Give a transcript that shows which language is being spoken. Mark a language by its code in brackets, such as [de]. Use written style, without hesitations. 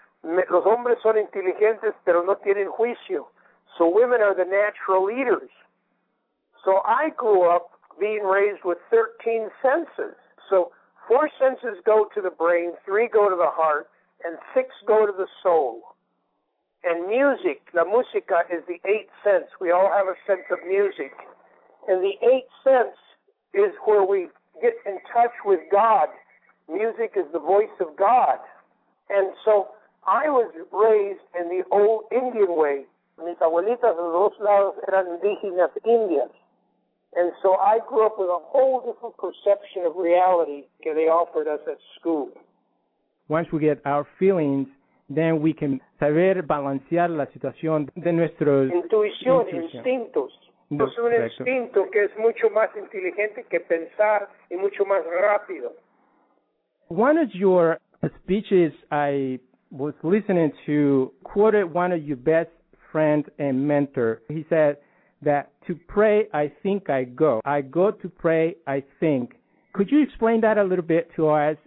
[es] Los hombres son inteligentes, pero no tienen juicio. [en] So women are the natural leaders. So I grew up being raised with 13 senses. So 4 senses go to the brain, 3 go to the heart, and 6 go to the soul. And music, la música, is the 8th sense. We all have a sense of music. And the 8th sense is where we get in touch with God. Music is the voice of God. And so I was raised in the old Indian way. [es] Mis abuelitas de los lados eran indígenas indias. [en] And so I grew up with a whole different perception of reality that they offered us at school. Once we get our feelings, then we can [es] saber balancear la situación de nuestro intuición, instintos. No, es un instinto que es mucho más inteligente que pensar y mucho más rápido. [en] One of your speeches I was listening to quoted one of your best friends and mentor. He said that to pray, I think I go. I go to pray, I think. Could you explain that a little bit to us?